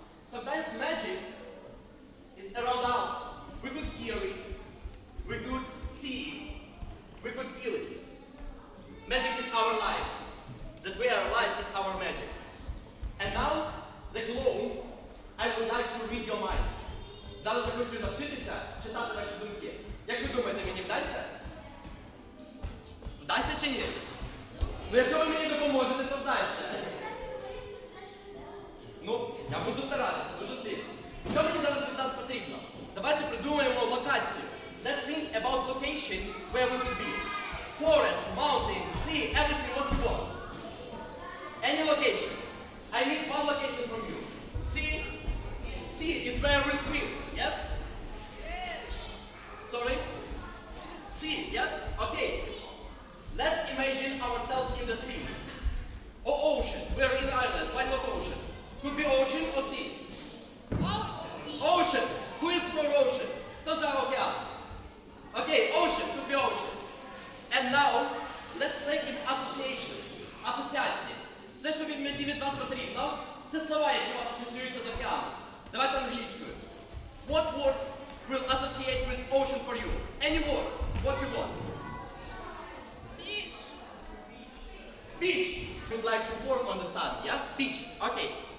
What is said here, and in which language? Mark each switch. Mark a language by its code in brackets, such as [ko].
[en] Sometimes magic is around us. We could hear it. We could see it. We could feel it. Magic is our life. That we are alive is our magic. And now, the glow, I would like to read your minds. [uk] Зараз хочу навчитися читати ваші думки. Як ви думаєте, мені вдасться? Вдасться чи ні? Ну, якщо ви мені допоможете, то вдасться. Ну, я буду старатися, дуже сильно. Що мені зараз від нас потрібно? Давайте придумаємо локацію. [en] Let's think about location where we could be. Forest, mountain, sea, everything what you want. Any location. I need one location from you. Sea? Sea is where we swim, yes? Sorry? Sea, yes? Okay. Let's imagine ourselves in the sea. Or ocean. We're in Ireland, why not ocean? Could be ocean or sea? Ocean! Ocean! Who is for ocean? [uk] Хто за океан? [en] Okay, ocean, could be ocean. And now, let's play in associations. Асоціації. [uk] Все, що від мені від вас потрібно, це слова, які вас асоціюються з океаном. Давайте англійською. [en] What words will associate with ocean for you? Any words, what you want? Beach. Beach. You'd like to warm on the sun, yeah? Beach, okay.